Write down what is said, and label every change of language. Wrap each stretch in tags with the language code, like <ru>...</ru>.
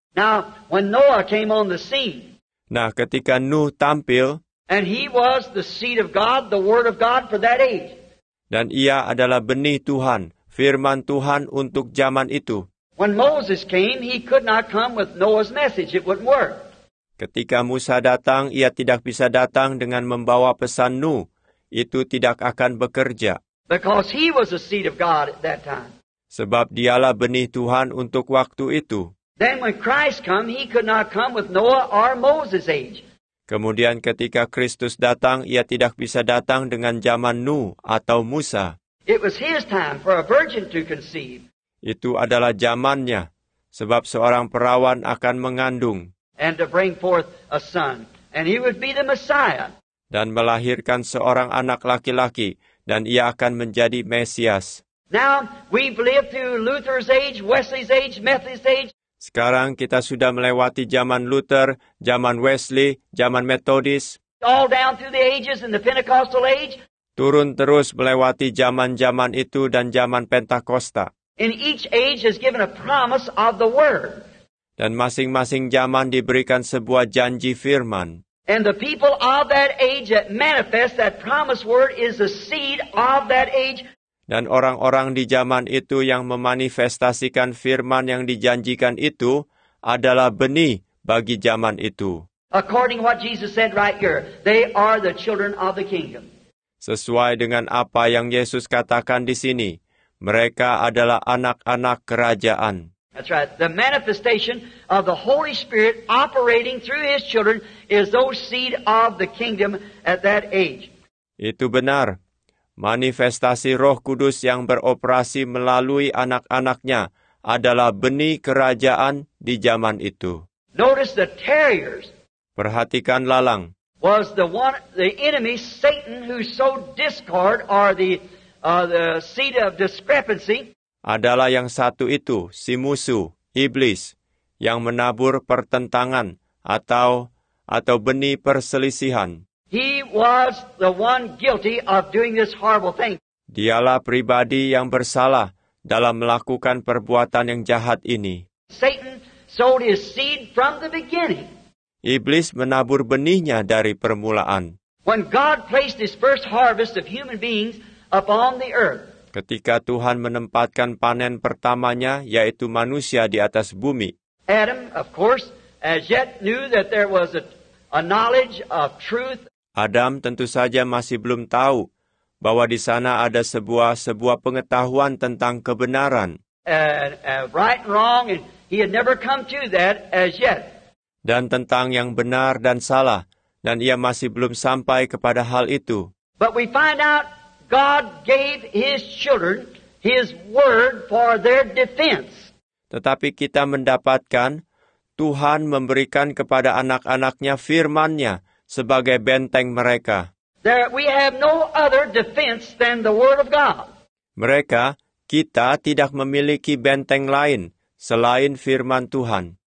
<en>Now, when Noah came on the scene.</en> <id>Nah, ketika Nuh tampil.</id> <en>And he was the seed of God, the word of God for that age.</en> <id>Dan ia adalah benih Tuhan, firman Tuhan untuk zaman itu.</id> <en>When Moses came, he could not come with Noah's message. It wouldn't work.</en> <id>Ketika Musa datang, ia tidak bisa datang dengan membawa pesan Nuh. Itu tidak akan bekerja.</id> <en>Because he was the seed of God at that time.</en> <id>Sebab dialah benih Tuhan untuk waktu itu.</id> <en>Then when Christ came, he could not come with Noah or Moses' age.</en> <id>Kemudian ketika Kristus datang, ia tidak bisa datang dengan zaman Nuh atau Musa.</id> <en>It was his time for a virgin to conceive.</en> <id>Itu adalah zamannya, sebab seorang perawan akan mengandung.</id> <en>And to bring forth a son, and he would be the Messiah.</en> <id>Dan melahirkan seorang anak laki-laki, dan ia akan menjadi Mesias.</id> <en>Now, we've lived through Luther's age, Wesley's age, Methodist age.</en> <id>Sekarang kita sudah melewati zaman Luther, zaman Wesley, zaman Methodist.</id> <en>All down through the ages in the Pentecostal age.</en> <id>Turun terus melewati zaman-zaman itu dan zaman Pentakosta.</id> <en>In each age is given a promise of the word.</en> <id>Dan masing-masing zaman diberikan sebuah janji firman.</id> <en>And the people of that age that manifest that promised word is the seed of that age.</en> <id>Dan orang-orang di zaman itu yang memanifestasikan firman yang dijanjikan itu adalah benih bagi zaman itu.</id> <en>According to what Jesus said right here, they are the children of the kingdom.</en> <id>Sesuai dengan apa yang Yesus katakan di sini. Mereka adalah anak-anak kerajaan.</id> <en>That's right. The manifestation of the Holy Spirit operating through His children is those seed of the kingdom at that age.</en> <id>Itu benar. Manifestasi Roh Kudus yang beroperasi melalui anak-anaknya adalah benih kerajaan di zaman itu.</id> <en>Notice the terriers.</en> <id>Perhatikan lalang.</id> <en>Was the enemy Satan who sowed discord or the seed of discrepancy?</en> <id>Adalah yang satu itu, si musuh, iblis, yang menabur pertentangan atau benih perselisihan.</id> <en>He was the one guilty of doing this horrible thing.</en> <id>Dialah pribadi yang bersalah dalam melakukan perbuatan yang jahat ini.</id> <en>Satan sowed his seed from the beginning.</en> <id>Iblis menabur benihnya dari permulaan.</id> <en>When God placed his first harvest of human beings upon the earth,</en> <id>ketika Tuhan menempatkan panen pertamanya, yaitu manusia di atas bumi.</id> <en>Adam, of course, as yet knew that there was a knowledge of truth.</en> <id>Adam tentu saja masih belum tahu bahwa di sana ada sebuah pengetahuan tentang kebenaran.</id> <en>And right and wrong, and he had never come to that as yet.</en> <id>Dan tentang yang benar dan salah, dan ia masih belum sampai kepada hal itu.</id> <en>But we find out God gave his children his word for their defense.</en> <id>Tetapi kita mendapatkan Tuhan memberikan kepada anak-anak-Nya firman-Nya sebagai benteng mereka.</id> <en>There we have no other defense than the word of God.</en> <id>Mereka, kita tidak memiliki benteng lain selain firman Tuhan.</id>